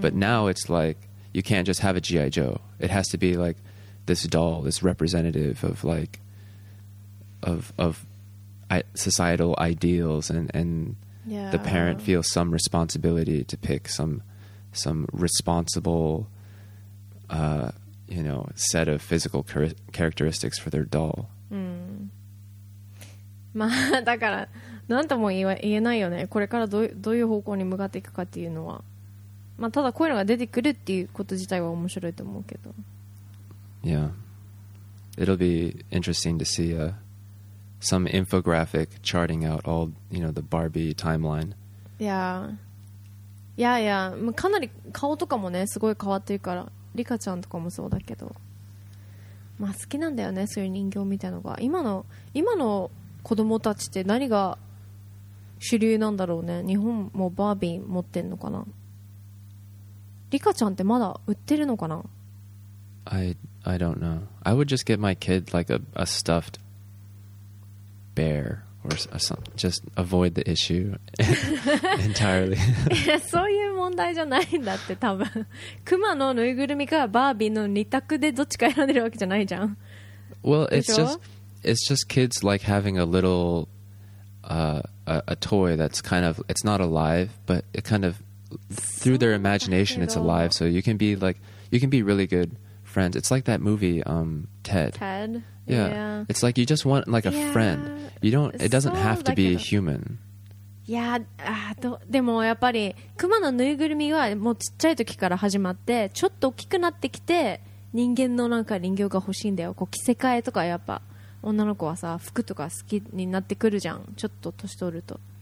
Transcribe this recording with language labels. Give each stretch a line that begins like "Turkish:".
English: But now it's like, you can't just have a G.I. Joe. It has to be like this doll, this representative of like, of societal ideals. And the parent feels some responsibility to pick some responsible, you know, set of physical characteristics for their doll. Mm.
Japanese: まあ、だから何とも言えないよね、これからどういう方向に向かっていくかっていうのは、まあ、ただこういうのが出てくるっていうこと自体は面白いと思うけど、
English: Yeah, it'll be interesting to see some infographic charting out all, you know, the Barbie timeline. Yeah, yeah, yeah.
Japanese: まあ、かなり顔とかもねすごい変わってるから、リカちゃんとかもそうだけど、まあ好きなんだよねそういう人形みたいのが。今の子供たちって何が主流なんだろうね。日本もバービー持ってんのかな。リカちゃんってまだ売ってるのかな。
English: I don't know. I would just get my kid like a stuffed bear or something. Just avoid the issue entirely.
Japanese: そういう問題じゃないんだって多分。クマのぬいぐるみかバービーの二択でどっちか選んでるわけじゃないじゃん。
English: Well, it's just. It's just kids like having a little a toy that's kind of, it's not alive, but it kind of, through their imagination, it's alive. So you can be like, you can be really good friends. It's like that movie, Ted. Ted? Yeah. It's like you just want like a friend. You don't, it doesn't have to be human.
Japanese: Yeah, でもやっぱり熊のぬいぐるみはもうちっちゃい時から始まって、ちょっと大きくなってきて、人間のなんか人形が欲しいんだよ。こう着せ替えとかやっぱ女の子はさ服とか好きになってくるじゃん、ちょっと年取ると。